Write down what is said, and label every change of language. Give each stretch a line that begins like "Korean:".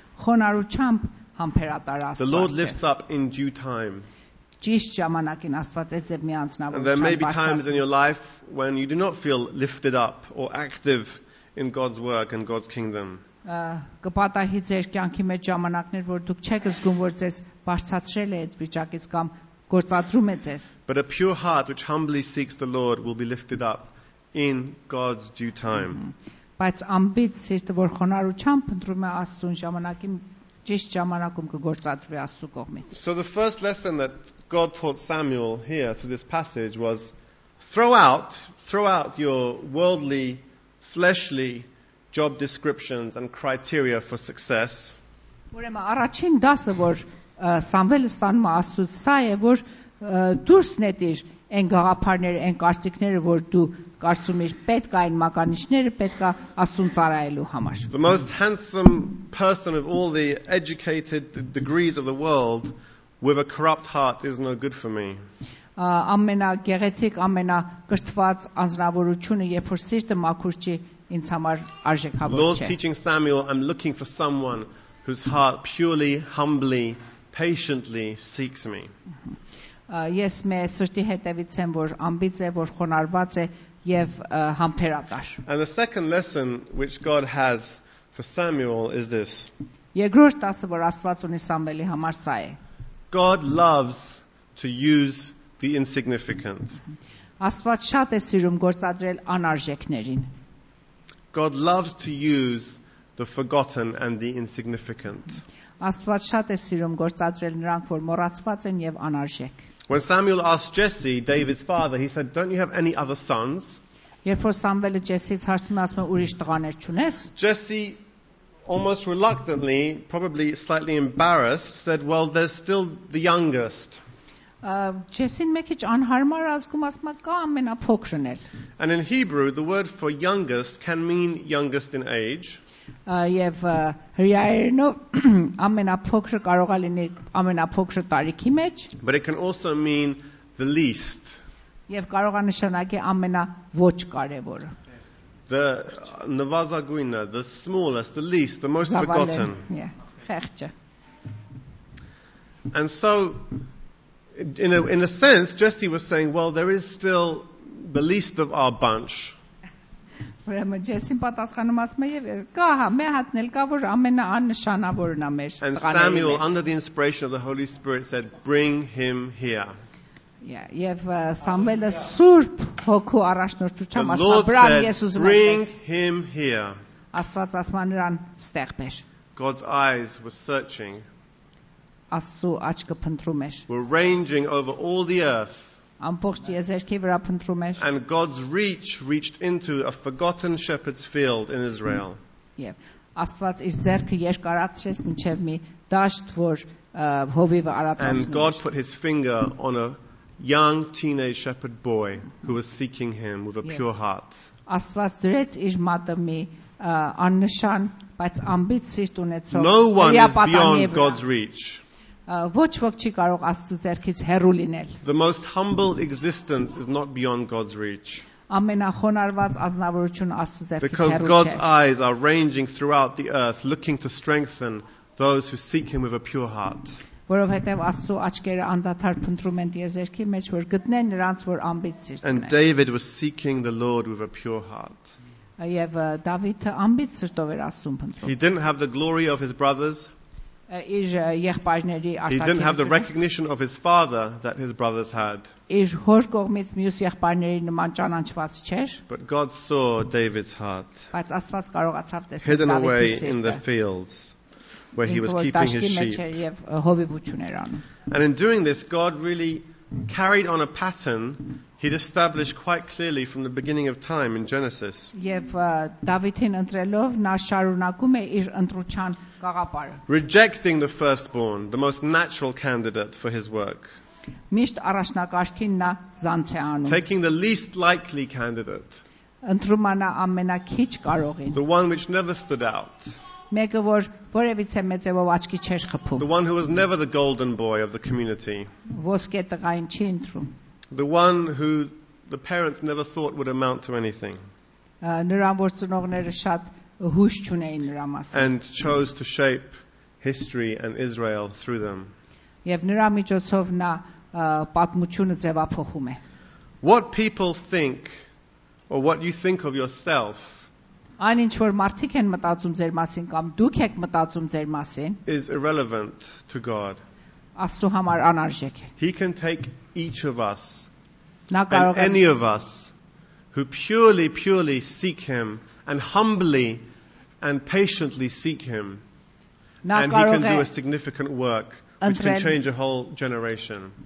Armenian: Խոնարհությամբ համբերատար Աստծո առջև։
English: The Lord lifts up in due time.
Armenian: Ճիշտ ժամանակին Աստված այդ ձեր մի անձնավորությամբ։
English: And there may be times in your life when you do not feel lifted up or active in God's work and God's kingdom.
Armenian: Կպատահի ձեր կյանքի մեջ ժամանակներ, որ դուք չեք զգում, որ ձեզ բարձրացրել է այդ վիճակից կամ գործադրում է ձեզ։
English: But a pure heart which humbly seeks the Lord will be lifted up in God's due time.
Armenian: Բայց ամբիծ սիրտը, որ խոնարհությամբ ընտրում է Աստծուն ժամանակին, ճիշտ ժամանակում կգործադրվի Աստծու կողմից։
English: So the first lesson that God taught Samuel here through this passage was throw out your worldly, fleshly job descriptions and criteria for success.
Armenian: Ուրեմն առաջին դասը, որ Սամվելը ստանում է Աստծուց, սա է, որ դուրս նետիր այն գաղափարները, այն կարծիքները, որ դու կարծում ես, պետք է այն մականիչները պետքա Աստուն ծառայելու համար։
English: The most handsome person of all the educated degrees of the world with a corrupt heart is no good for me.
Armenian: ամենագեղեցիկ, ամենակրթված անձնավորությունը, երբ որ սիրտը մաքուր չի, ինձ համար արժեքավոր չէ.
English: Lord's teaching Samuel, I'm looking for someone whose heart purely, humbly, patiently seeks me.
Armenian: Ես մի սրտի հետևից եմ, որ ամբիծ է, որ խոնարհված է եւ համբերատար։
English: And the second lesson which God has for Samuel is this.
Armenian: Երկրորդ տասը, որ Աստված ունի Սամուելի համար, սա է.
English: God loves to use the insignificant.
Armenian: Աստված շատ է սիրում գործադրել անարժեքներին.
English: God loves to use the forgotten and the insignificant.
Armenian: Աստված շատ է սիրում գործադրել նրանք, որ մոռացված են եւ անարժեք։
English: When Samuel asked Jesse, David's father, he said, "Don't you have any other sons?"
Armenian: Երբ որ Սամուելը Ջեսսից հարցնում է, ասում է, ուրիշ տղաներ չունես?
English: Jesse almost reluctantly, probably slightly embarrassed, said, "Well, there's still the youngest."
Armenian: Ջեսին մի քիչ անհարմար ազգում, ասում է, կա ամենափոքրն էլ.
English: And in Hebrew, the word for youngest can mean youngest in age.
Armenian: Եվ հրեայերենով ամենափոքրը կարող է լինի ամենափոքրը տարիքի մեջ.
English: But it can also mean the least.
Armenian: Եվ կարող է նշանակել ամենաոչ կարևորը.
English: The
Armenian: նվազագույնը,
English: the smallest, the least, the most forgotten.
Armenian: Խեղճը.
English: And so in a sense Jesse was saying, well, there is still the least of our bunch.
Armenian: Ուրեմն Ջեսին պատասխանում ասում է, եւ կա, հա, մե հատնել կա, որ ամենաաննշանավորն է մեր տղաների մեջ.
English: And Samuel, under the inspiration of the Holy Spirit, said, bring him here.
Armenian: Եվ Սամուելը Սուրբ Հոգու առաջնորդությամբ ասում է, բրան ես ուզում եմ։
English: Bring him here.
Armenian: Աստված ասման նրան ստեղ բեր։
English: God's eyes were searching.
Armenian: Աստծո աչքը փնտրում էր։
English: Were ranging over all the earth.
Armenian: Ամբողջ եզերքի վրա փնտրում էր։
English: And God's reach reached into a forgotten shepherd's field in Israel.
Armenian: Եվ Աստված իր ձեռքը երկարացրեց մինչև մի դաշտ, որ հովիվը արածացնում էր։
English: And God put his finger on a young teenage shepherd boy who was seeking him with a pure heart.
Armenian: Աստված դրեց իր մատը մի աննշան, բայց ամբիծ սիրտ ունեցող։
English: No one is beyond God's reach.
Armenian: Ոչ ոք չի կարող Աստծո ձեռքից հեռու լինել.
English: The most humble existence is not beyond God's reach.
Armenian: Ամենախոնարհված ազնվորությունը Աստծո ձեռքից հեռու չէ.
English: Because God's eyes are ranging throughout the earth looking to strengthen those who seek him with a pure heart.
Armenian: Որովհետև Աստծո աչքերը անդադար փնտրում են ձեռքի մեջ, որ գտնեն նրանց, որ ամբիծ սիրտ ունեն։
English: And David was seeking the Lord with a pure heart.
Armenian: Եվ Դավիթը ամբիծ սրտով էր Աստծուն փնտրում։
English: He didn't have the glory of his brothers. He didn't have the recognition of his father that his brothers had. But God saw David's heart hidden away in the fields where he was keeping his sheep. And in doing this, God really carried on a pattern he'd established quite clearly from the beginning of time in Genesis.
Armenian: Եվ Դավիթին ընտրելով նա շարունակում է իր ընտրության գաղապարը.
English: Rejecting the firstborn, the most natural candidate for his work.
Armenian: Միշտ առաջնակարգին նա զանց է անում.
English: Taking the least likely candidate.
Armenian: Ընտրում նա ամենաքիչ կարողին.
English: The one which never stood out.
Armenian: Մեկը, որ որևիցե մեծերով աչքի չեր խփում.
English: The one who was never the golden boy of the community.
Armenian: Ոսկե տղային չի ընտրում.
English: The one who the parents never thought would amount to anything.
Armenian: Նրան, որ ծնողները շատ հույս չունեին նրա մասին.
English: And chose to shape history and Israel through them.
Armenian: Եվ նրա միջոցով նա պատմությունը ձևափոխում է.
English: What people think or what you think of yourself.
Armenian: Այն ինչ որ մարդիկ են մտածում ձեր մասին կամ դուք եք մտածում ձեր մասին.
English: Is irrelevant to God.
Armenian: Աստու համար անարժեք է.
English: He can take each of us and any of us who purely seek him and humbly and patiently seek him and he can do a significant work which can change a whole generation.